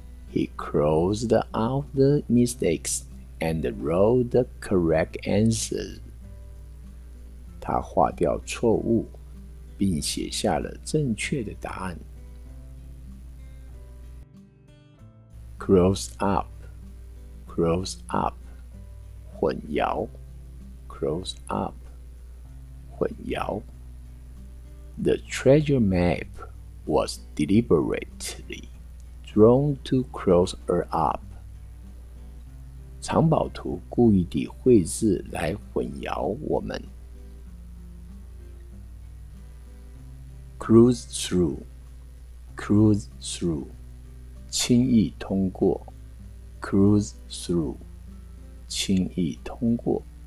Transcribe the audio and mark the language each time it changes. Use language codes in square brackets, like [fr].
[en] He crossed out the mistakes and wrote the correct answer. [zh] 他划掉错误，并写下了正确的答案。 [en] Cross up, cross up, [zh] 混淆。 [en] Cross up, [zh] 混淆。 [en] The treasure map was deliberately drawn to cross her up. [zh] 藏宝图故意地绘制来混淆我们。 [en] Cruise through, cruise through, [zh] 轻易通过。 [en] Cruise through, [zh] 轻易通过。